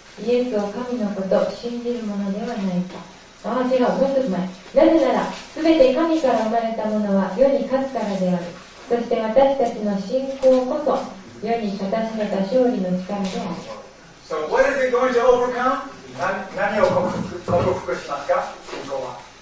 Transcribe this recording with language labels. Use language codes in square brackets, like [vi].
[ja] イエスを神のこと信じる者ではないか。ああ違う、もう一つ前。なぜなら、すべて神から生まれたものは世に勝つからである。そして私たちの信仰こそ世に勝たされた勝利の力である。 [en] So what is it going to overcome? [ja] 何を克服しますか、信仰は。